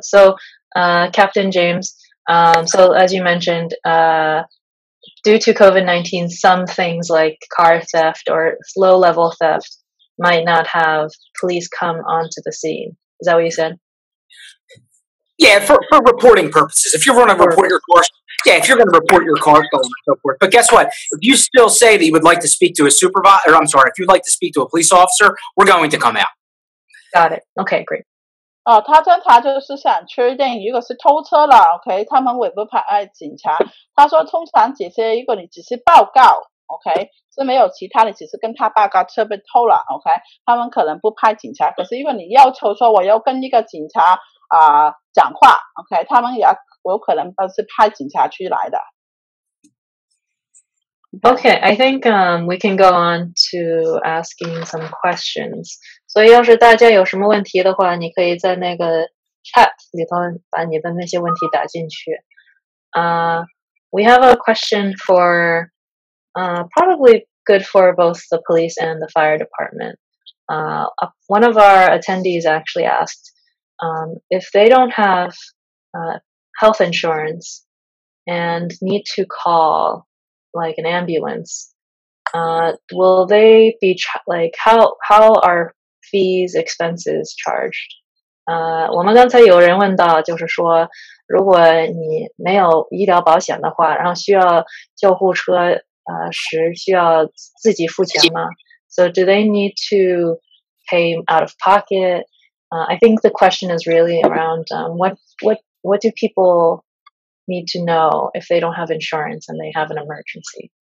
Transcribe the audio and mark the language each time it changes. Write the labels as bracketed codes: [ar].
[en] So, Captain James, as you mentioned, due to COVID-19, some things like car theft or low-level theft might not have police come onto the scene. Is that what you said? Yeah, for reporting purposes. If you're going to report your car, if you're going to report your car stolen and so forth. But guess what? If you still say that you would like to speak to a supervisor, or I'm sorry, if you'd like to speak to a police officer, we're going to come out. Got it. Okay, great. [zh] 他就是想确定，如果是偷车了 ，OK， 他们会不会派警察？他说，通常这些，如果你只是报告 ，OK， 是没有其他的，只是跟他报告车被偷了 ，OK， 他们可能不派警察。可是，如果你要求说我要跟一个警察讲话 ，OK， 他们也有可能是派警察去来的。 [en] Okay, I think we can go on to asking some questions. [zh] So, 要是大家有什么问题的话，你可以在那个 chat 里头把你的那些问题打进去。 [en] we have a question for probably good for both the police and the fire department. One of our attendees actually asked, if they don't have health insurance and need to call like an ambulance, will they be how are fees expenses charged? [zh] 我们刚才有人问到，就是说，如果你没有医疗保险的话，然后需要救护车，时需要自己付钱吗？ [en] So do they need to pay out of pocket? I think the question is really around what do people need to know if they don't have insurance and they have an emergency?